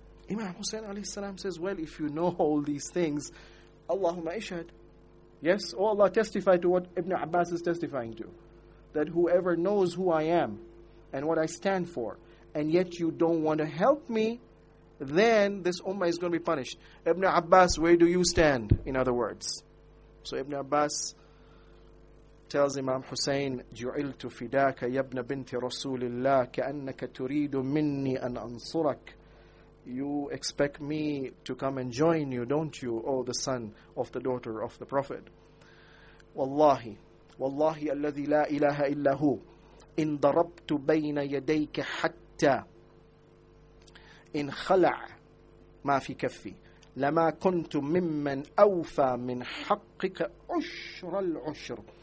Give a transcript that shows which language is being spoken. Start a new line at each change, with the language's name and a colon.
English: Imam Hussain alayhi salam says, well, if you know all these things,
Arabic: Allahumma ishad.
English: Yes, oh Allah, testify to what Ibn Abbas is testifying to. That whoever knows who I am and what I stand for, and yet you don't want to help me, then this ummah is going to be punished. Ibn Abbas, where do you stand, in other words? So Ibn Abbas tells Imam Hussein,
Arabic: جُعِلْتُ فِدَاكَ يَبْنَ بِنْتِ رَسُولِ اللَّهِ كَأَنَّكَ تُرِيدُ مِنِّي أَنْ أَنْصُرَكَ.
English: You expect me to come and join you, don't you, O the son of the daughter of the Prophet?
Arabic: وَاللَّهِ وَاللَّهِ الَّذِي لَا إِلَهَ إِلَّا هُوْ إِنْ ضَرَبْتُ بَيْنَ يَدَيْكَ حَتَّى إِنْ خَلَعْ مَا فِي كَفِّي لَمَا كُنْتُ مِمَّنْ أَوْفَى مِنْ حَقِّكَ عُشْرَ الْعُشْرِ.